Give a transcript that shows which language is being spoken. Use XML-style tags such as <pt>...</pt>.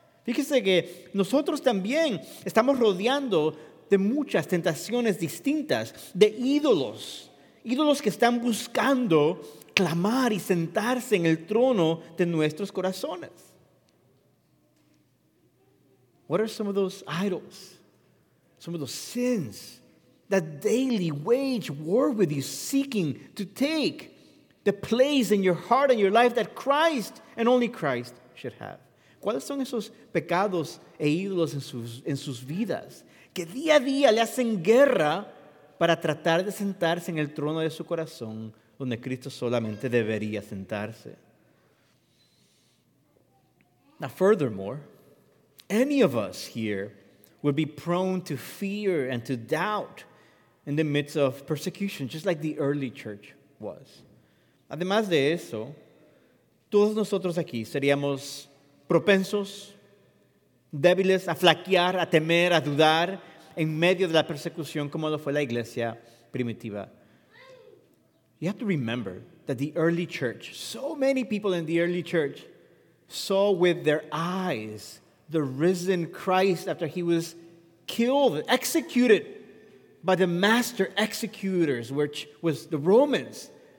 <es>Fíjese que nosotros también estamos rodeando de muchas tentaciones distintas, de ídolos. Ídolos que están buscando clamar y sentarse en el trono de nuestros corazones.</es> <en>What are some of those idols? Some of those sins that daily wage war with you, seeking to take the place in your heart and your life that Christ and only Christ should have.</en> <es>¿Cuáles son esos pecados e ídolos en sus vidas que día a día le hacen guerra para tratar de sentarse en el trono de su corazón donde Cristo solamente debería sentarse?</es> <en>Now, furthermore, any of us here would be prone to fear and to doubt in the midst of persecution, just like the early church was.</en> <es>Además de eso, todos nosotros aquí seríamos propensos, débiles, a flaquear, a temer, a dudar en medio de la persecución como lo fue la iglesia primitiva.</es> <en>You have to remember that the early church, so many people in the early church saw with their eyes the risen Christ after he was killed, executed by the master executors, which was the Romans.</en>